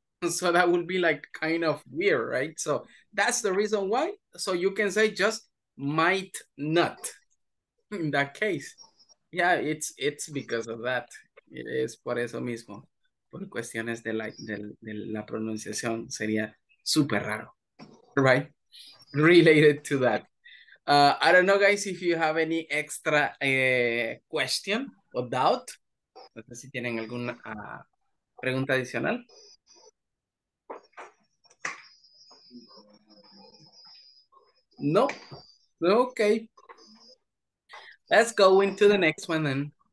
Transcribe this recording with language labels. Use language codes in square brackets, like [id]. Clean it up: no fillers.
[en] So that would be like kind of weird, right? So that's the reason why. So you can say just might not in that case. Yeah, it's because of that. [es] Es por eso mismo. Por cuestiones de la pronunciación sería super raro, right? [en] Related to that. I don't know, guys, if you have any extra question or doubt. [es] No sé si tienen alguna pregunta adicional. [en] No. Okay. Let's go into the next one then.